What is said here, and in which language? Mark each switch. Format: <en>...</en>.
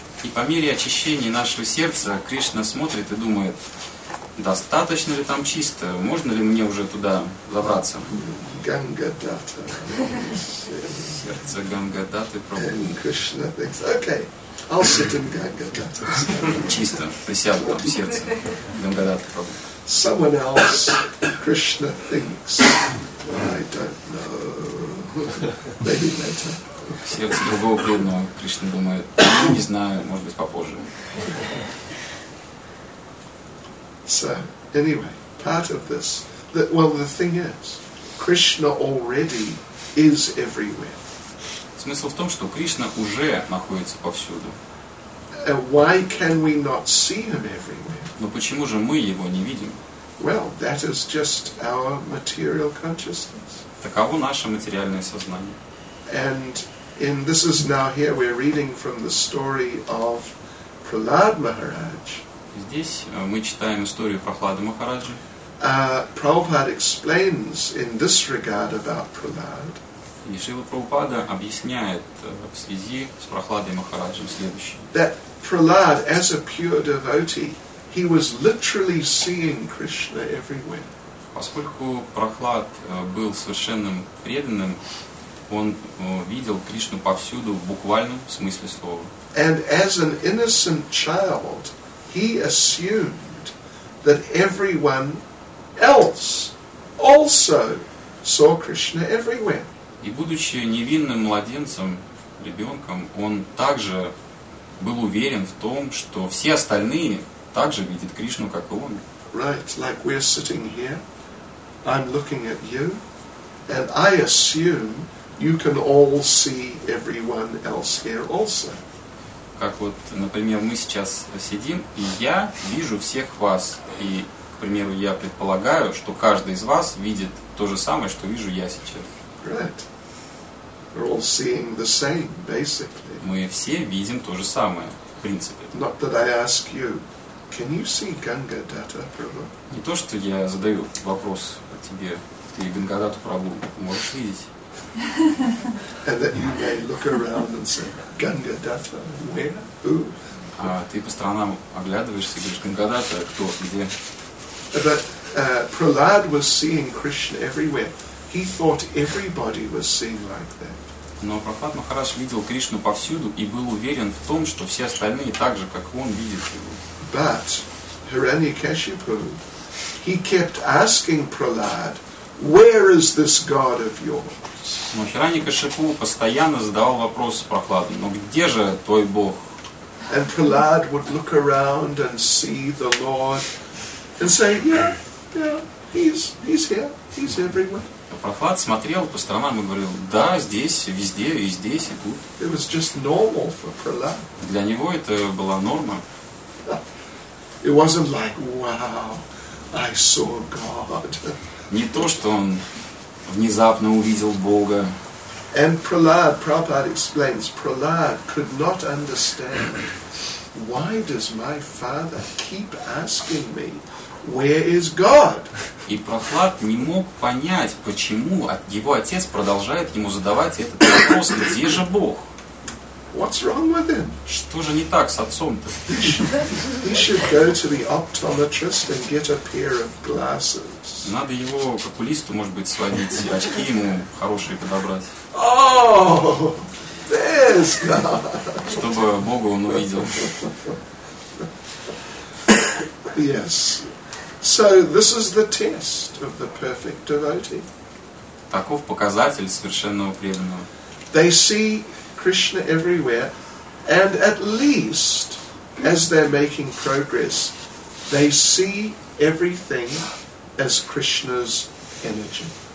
<ru>И по мере очищения нашего сердца Кришна смотрит и думает, достаточно ли там чисто, можно ли мне уже туда забраться? Гангадата. Сердце Гангадаты пробует.</ru> <en>Кришна thinks, okay, I'll sit in Гангадата.</en> <ru>Чисто, присяду там в сердце Гангадаты пробует.</ru> <en>Someone else, Krishna thinks, I don't know, maybe later.</en> <ru>Сердце другого преданного Кришна думает, не знаю, может быть, попозже.</ru> <en>So, anyway, part of this, the thing is, Krishna already is everywhere.</en> <ru>Смысл в том, что Кришна уже находится повсюду.</ru> <en>Why can we not see him everywhere?</en> <ru>Но почему же мы его не видим?</ru> <en>Well, that is just our material consciousness.</en> <ru>Таково наше материальное сознание.</ru> <en>And in this is now here we're reading from the story of Prahlad Maharaj.</en> <ru>Здесь мы читаем историю Прохлады Махараджи.</ru> <en>Prabhupada explains in this regard about Prahlad.</en> <ru>И Шрила Прабхупада объясняет в связи с Прахладой Махараджем следующее.</ru> <en>That Prahlad, as a pure devotee, he was literally seeing Krishna everywhere.</en> <ru>Поскольку Прахлад был совершенным преданным, он видел Кришну повсюду в буквальном смысле слова.</ru> <en>And as an innocent child, he assumed that everyone else also saw Krishna everywhere.</en> <ru>И будучи невинным младенцем, ребенком, он также был уверен в том, что все остальные также видят Кришну, как и он.</ru> <en>Right, like we're sitting here, I'm looking at you, and I assume you can all see everyone else here also.</en> <ru>Как вот, например, мы сейчас сидим, и я вижу всех вас, и, к примеру, я предполагаю, что каждый из вас видит то же самое, что вижу я сейчас.</ru> <en>Right. We're all seeing the same, basically.</en> <ru>Мы все видим то же самое, в принципе.</ru> <en>Not that I ask you, can you see Ganga Datta Prabhu?</en> <ru>Не то, что я задаю вопрос тебе, ты Ганга Датта Прабху можешь видеть?</ru> <en>And that you may look around and say, Ganga Datta, where? Who?</en> <ru>А ты по сторонам оглядываешься и говоришь, Ганга Датта, кто, где?</ru> <en>But Prahlad was seeing Krishna everywhere. He thought everybody was seeing like that.</en> <ru>Но Прахлад Махарадж видел Кришну повсюду и был уверен в том, что все остальные так же, как он, видят его.</ru> <en>But Hiranyakashipu, he kept asking Prahlad, "Where is this God of yours?"</en> <ru>Но Хираньякашипу постоянно задавал вопрос Прахладу: "Но где же твой Бог?"</ru> <en>And Prahlad would look around and see the Lord and say, "Yeah, yeah, he's here, he's everywhere."</en> <ru>Прохлад смотрел по сторонам и говорил, да, здесь, везде, и здесь, и тут.</ru> <en>It was just normal for Prahlad.</en> <ru>Для него это была норма.</ru> <en>It wasn't like, wow, I saw God.</en> <ru>Не то, что он внезапно увидел Бога.</ru> <en>And Prahlad, Prabhupada explains, Prahlad could not understand, why does my father keep asking me, where is God?</en> <ru>И Прохлад не мог понять, почему его отец продолжает ему задавать этот вопрос, где же Бог?</ru> <en>What's wrong with him?</en> <ru>Что же не так с отцом-то?</ru> <en>He should go to the optometrist and get a pair of glasses.</en> <ru>Надо его к окулисту, может быть, сводить, очки ему хорошие подобрать.</ru> <en>Oh, there's God.</en> <ru>Чтобы Бога он увидел.</ru> <en>Yes. So this is the test of the perfect devotee.</en> <ru>Таков показатель совершенного преданного.</ru> <en>They see Krishna everywhere, and at least as they're making progress, they see everything as Krishna's energy.</en>